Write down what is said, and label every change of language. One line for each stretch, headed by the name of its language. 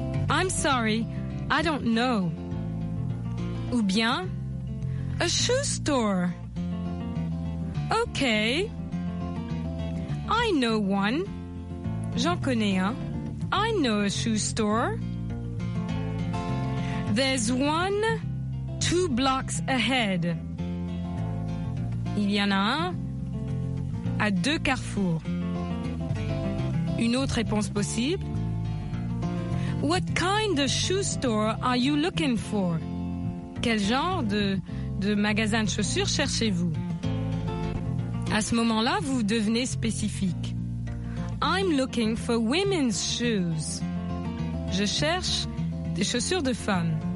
English: I'm sorry, I don't know.
French: Ou bien,
English: a shoe store. Okay. I know one.
French: J'en connais un.
English: I know a shoe store. There's one two blocks ahead.
French: Il y en a un à deux carrefours. Une autre réponse possible.
English: What kind of shoe store are you looking for?
French: Quel genre de magasin de chaussures cherchez-vous? À ce moment-là, vous devenez spécifique.
English: I'm looking for women's shoes.
French: Je cherche des chaussures de femmes.